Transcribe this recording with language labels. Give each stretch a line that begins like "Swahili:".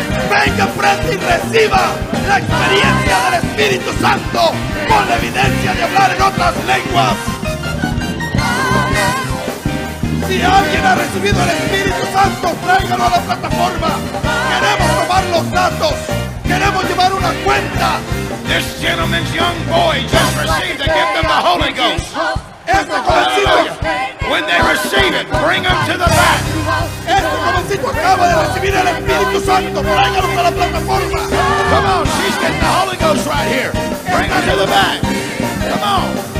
Spanish: Venga frente y reciba la experiencia del Espíritu Santo con la evidencia de hablar en otras lenguas. Si alguien ha recibido el Espíritu Santo, tráigalo a la plataforma. Queremos tomar los datos. Queremos llevar una cuenta.
English: This gentleman's young boy just received the gift of the Holy Ghost.
Spanish: Este jovencito,
English: when they receive it, bring them to the back.
Spanish: Este jovencito acaba de recibir el Espíritu Santo. Tráigalo a la plataforma.
English: Come on, she's getting the Holy Ghost right here. Bring her to the back. Come on.